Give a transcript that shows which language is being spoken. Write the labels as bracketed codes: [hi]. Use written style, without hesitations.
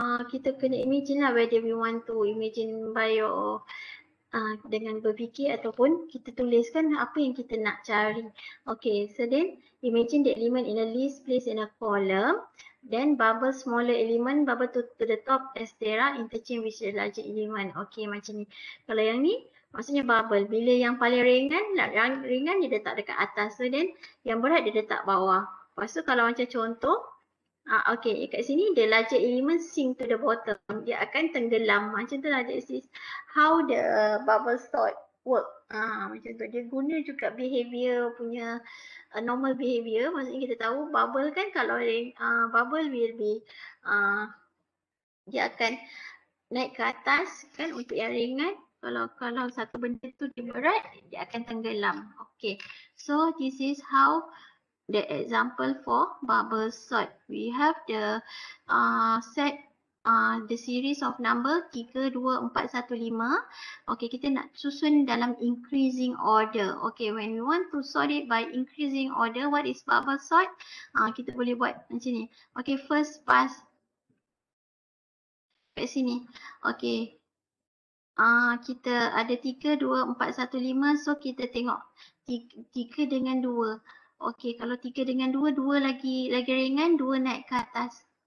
[ms] Kita kena imagine lah [en] whether we want to imagine by [ms] dengan berfikir ataupun kita tuliskan apa yang kita nak cari. [en] Okay, so then imagine the element in a list placed in a column. Then bubble smaller element, bubble to the top as there are interchange with the larger element. [ms] Okay, macam ni. Kalau yang ni, maksudnya bubble. Bila yang paling ringan, yang ringan dia letak dekat atas. So then, yang berat dia letak bawah. Lepas tu kalau macam contoh, okay, kat sini [en] the larger element sink to the bottom. [ms] Dia akan tenggelam. Macam tu lah, [en] this is how the bubble sort work. [ms] Macam tu. Dia guna juga behavior punya, normal behavior. Maksudnya kita tahu bubble kan, kalau bubble will be dia akan naik ke atas kan untuk yang ringan. Kalau satu benda tu dia berat, dia akan tenggelam. [en] Okay, so this is how the example for bubble sort. We have the set the series of number 3, 2, 4, 1, 5. Okay, [ms] kita nak susun dalam [en] increasing order. Okay, when we want to sort it by increasing order, what is bubble sort? [ms] Kita boleh buat macam ni. Okay, first pass kat sini. Okay, kita ada 3, 2, 4, 1, 5. So, kita tengok 3 dengan 2. Okay, kalau 3 dengan 2, 2 lagi ringan, 2 naik ke atas.